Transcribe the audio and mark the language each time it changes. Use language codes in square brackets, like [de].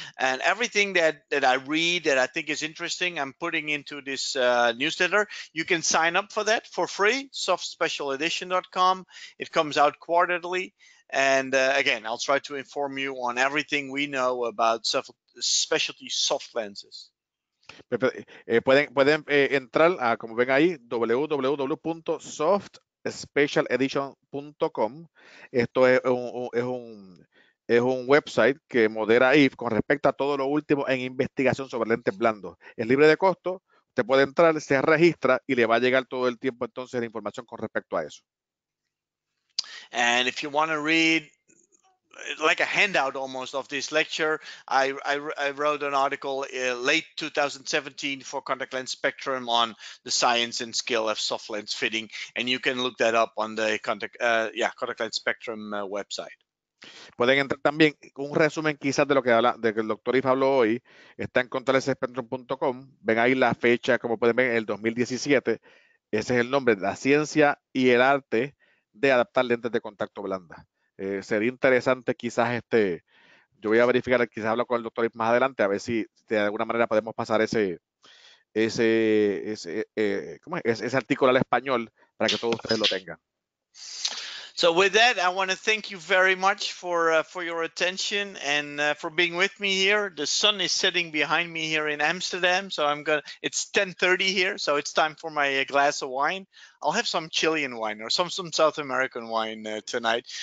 [en] And everything that I read that I think is interesting, I'm putting into this newsletter. You can sign up for that for free, softspecialedition.com. It comes out quarterly. And again, I'll try to inform you on everything we know about specialty soft lenses. [es] Pueden entrar a, como ven ahí, www.softspecialedition.com. Esto es un website que modera Yves con respecto a todo lo último en investigación sobre lentes blandos. Es libre de costo, usted puede entrar, se registra y le va a llegar todo el tiempo entonces la información con respecto a eso. And if you want to read like a handout almost of this lecture, I wrote an article late 2017 for Contact Lens Spectrum on the science and skill of soft lens fitting, and you can look that up on the Contact Lens Spectrum website. Pueden entrar también un resumen quizás de lo que habla de que el doctor Yves habló hoy, está en contactlensespectrum.com. Ven ahí la fecha, como pueden ver, el 2017, ese es el nombre, la ciencia y el arte de adaptar lentes de contacto blanda. Sería interesante quizás yo voy a verificar, quizás hablo con el doctor más adelante, a ver si de alguna manera podemos pasar ¿cómo es? Ese artículo al español para que todos ustedes lo tengan. [en] So with that, I want to thank you very much for your attention and for being with me here. The sun is setting behind me here in Amsterdam, so it's 10:30 here, so it's time for my glass of wine. I'll have some Chilean wine or some South American wine tonight.